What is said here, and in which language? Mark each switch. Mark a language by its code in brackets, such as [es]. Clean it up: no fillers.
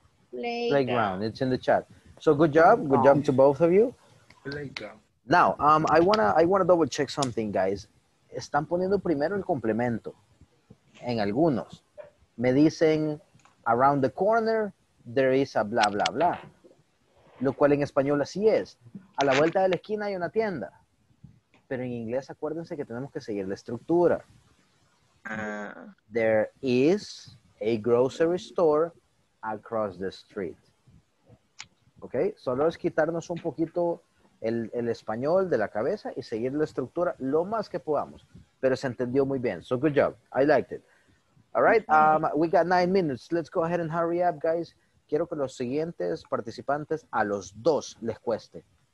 [en] Playground. It's in the chat. So good job. Good job to both of you. Playground. Now, I wanna double check something, guys. [es] Están poniendo primero el complemento. En algunos. Me dicen [en] around the corner, there is a blah, blah, blah. [es] Lo cual en español así es. A la vuelta de la esquina hay una tienda. Pero en inglés acuérdense que tenemos que seguir la estructura. [en] There is a grocery store across the street. ¿Ok? [es] Solo es quitarnos un poquito el español de la cabeza y seguir la estructura lo más que podamos. Pero se entendió muy bien. [en] So good job. I liked it. All right. We got 9 minutes. Let's go ahead and hurry up, guys. [es] Quiero que los siguientes participantes a los dos les cueste.